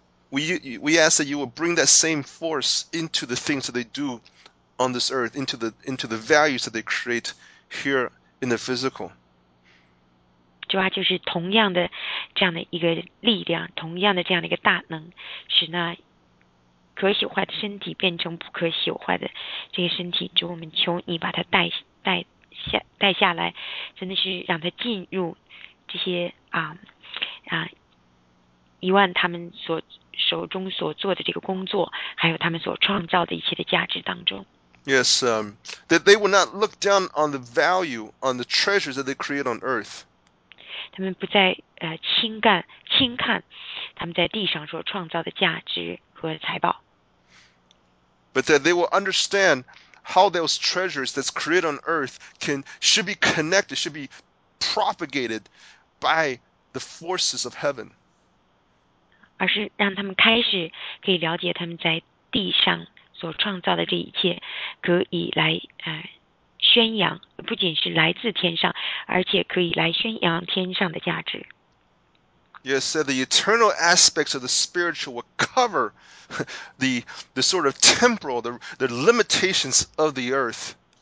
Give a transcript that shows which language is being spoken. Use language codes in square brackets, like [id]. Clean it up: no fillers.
[en] We ask that you will bring that same force into the things that they do on this earth, into the values that they create here in the physical. [zh] 主啊，就是同样的这样的一个力量，同样的这样的一个大能，使那可朽坏的身体变成不可朽坏的这个身体。主，我们求你把它带下来，真的是让它进入这些一万他们所。手中所做的这个工作，还有他们所创造的一切的价值当中。 [en] Yes, that they will not look down on the value on the treasures that they create on earth. [zh] 他们不再轻看他们在地上所创造的价值和财宝。 [en] But that they will understand how those treasures that's created on earth can should be connected, should be propagated by the forces of heaven. [zh] 而是让他们开始可以了解他们在地上所创造的这一切可以来宣扬，不仅是来自天上，而且可以来宣扬天上的价值。 [en] Yes, so the eternal aspects of the spiritual will cover the sort of temporal, the limitations of the earth.